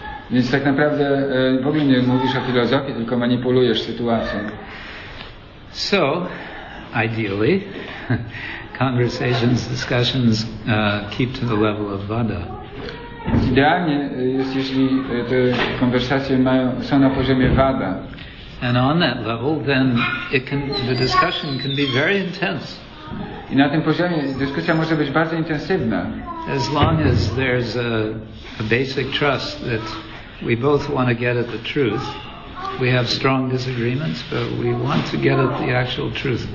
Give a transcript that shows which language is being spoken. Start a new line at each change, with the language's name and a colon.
Polish: Więc tak naprawdę w ogóle nie mówisz o filozofii, tylko manipulujesz sytuacją.
English: So, ideally, conversations, discussions keep to the level of vada.
Polish: idealnie jest, jeśli te konwersacje mają, są na poziomie vada.
English: And on that level, then it can, the discussion can be very intense.
Polish: I na tym poziomie dyskusja może być bardzo intensywna.
English: As long as there's a basic trust that we both want to get at the truth. We have strong disagreements, but we want to get at the actual truth.